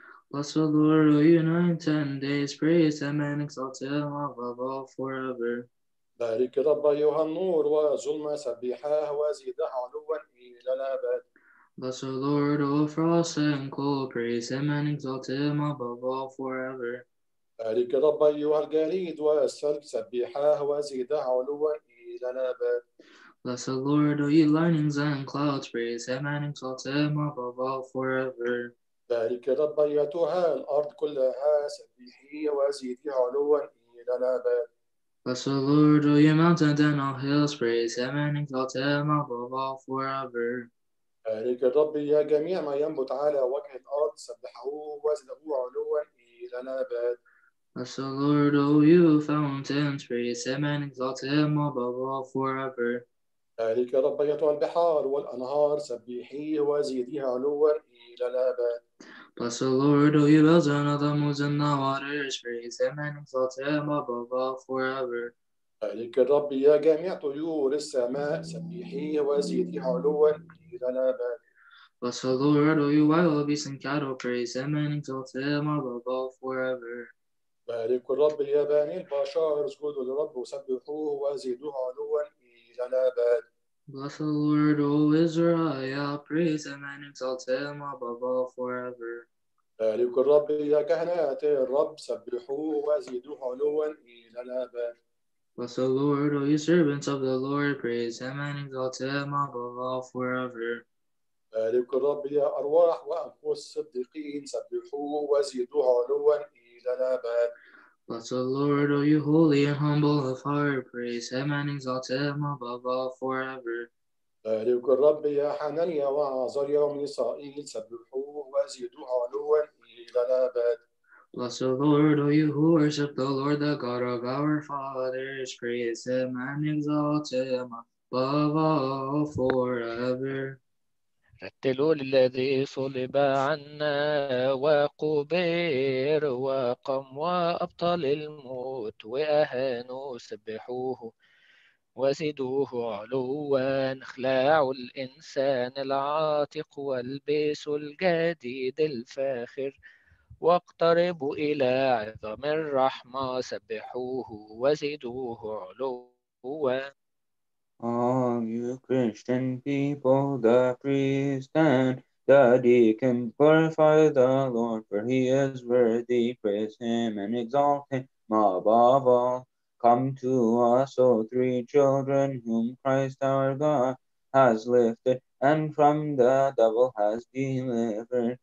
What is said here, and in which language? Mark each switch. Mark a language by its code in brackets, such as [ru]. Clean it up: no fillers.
[en] Bless the Lord, all you night and days, praise him and exalt him above all forever. [ar] بارك رب أيها النور وظلمة سبحاه وزيده علوا إلى الأبد. [en] Bless the Lord, O frost and cold, praise him and exalt him above all forever. [ar] بارك رب أيها الجليد والسلك سبحاه وزيده علوا إلى الأبد. [en] Bless the Lord, O ye learnings and clouds, praise him and exalt him above all forever. [ar] بارك رب ايتها الارض كلها سبحي وازيدي علوا الى الابد. [en] Bless the Lord, O ye mountains and all hills, praise him and exalt him above all forever. [ar] بارك رب يا جميع ما ينبت على وجه الارض سبحوه وازدهوه علوا الى الابد. [en] Bless the Lord, O you fountains, praise him and exalt him above all forever. [ar] بارك رب ايتها البحار والانهار سبحي وازيدي علوا الى الابد. [en] Bless the Lord, O ye bells and all the moons and the waters, praise him and exalt him above all forever. [ar] بارك رب يا جميع طيور السماء سبحي وازيدي علوا الى الابد. [en] Bless the Lord, O ye wild beasts and cattle, praise him and exalt him above all forever. [ar] بارك الرب يا بني البشر اسجدوا للرب وسبحوه وازيدوه علوا الى الابد. [en] Bless the Lord, O Israel, praise him and exalt him above all forever. [ar] بارك الرب يا كهنات الرب سبحوه وازيدوه علوا الى الابد. [en] Bless the Lord, O you servants of the Lord, praise him and exalt him above all forever. [ar] بارك الرب يا ارواح وانفس الصديقين سبحوه وازيدوه علوا الى الابد. [en] Bless the Lord, O you holy and humble of heart, praise him and exalt him above all forever. [ar] بارك الرب يا حنانيا وعذاريا ومن إسرائيل سبحوه وازيدوه علوا الى الابد. [en] Bless the Lord, O you who worship the Lord, the God of our fathers, praise him and exalt him above all forever. [ar] رتلوا للذي صلب عنا وقبر وقام وأبطل الموت وأهانوا سبحوه وزدوه علوا اخلعوا الإنسان العاتق والبسوا الجديد الفاخر واقتربوا إلى عظم الرحمة سبحوه وزدوه علوا. [en] All you Christian people, the priest and the deacon, glorify the Lord, for he is worthy. Praise him and exalt him above all. Come to us, O three children, whom Christ our God has lifted and from the devil has delivered.